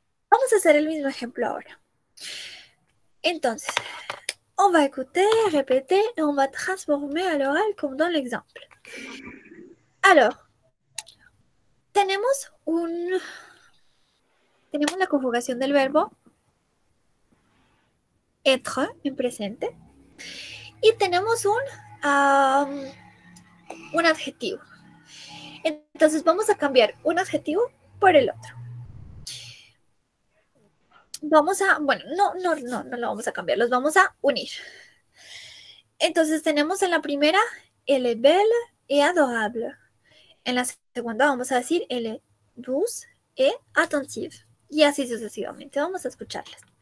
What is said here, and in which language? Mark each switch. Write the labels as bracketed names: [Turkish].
[Spanish] Vamos a hacer el mismo ejemplo ahora. [French] Entonces, on va écouter, répéter et on va transformer à l'oral comme dans l'exemple. [Spanish] Alors, tenemos la conjugación del verbo être en presente y tenemos un adjetivo. Entonces, vamos a cambiar un adjetivo por el otro. No lo vamos a cambiar, los vamos a unir. Entonces tenemos en la primera, [French] elle est belle et adorable. [Spanish] En la segunda vamos a decir, [French] elle est douce et attentive. [Spanish] Y así sucesivamente, vamos a escucharlas.